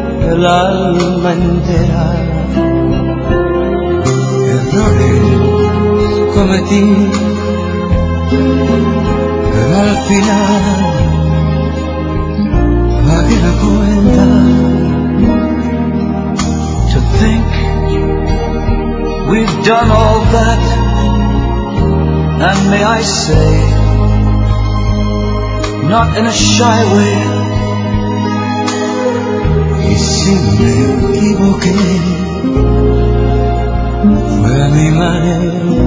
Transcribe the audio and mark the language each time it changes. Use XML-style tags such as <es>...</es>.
<es>El alma entera, errores cometí, pero al final pagué la cuenta.</es> <en>To think we've done all that, and may I say, not in a shy way.</en> <es>Y si me equivoqué, fue a mi manera.</es>